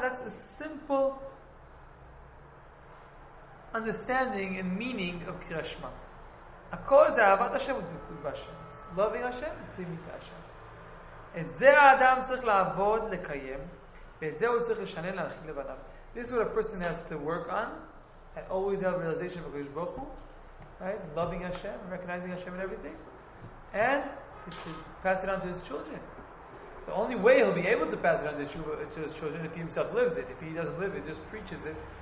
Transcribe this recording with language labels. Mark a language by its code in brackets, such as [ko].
[en] That's a simple understanding and meaning of kriyat shma. [he] Hakol ze ahavat Hashem u'dvikut b'Hashem. [en] Loving Hashem, pleasing Hashem. [he] את זה האדם צריך לעבוד, לקיים, ואת זה הוא צריך לשנן להנחיל לבניו. [en] This is what a person has to work on, and always have realization of Kadosh Baruch Hu, right? Loving Hashem, recognizing Hashem and everything, and to pass it on to his children. The only way he'll be able to pass it on to his children if he himself lives it. If he doesn't live it, just preaches it.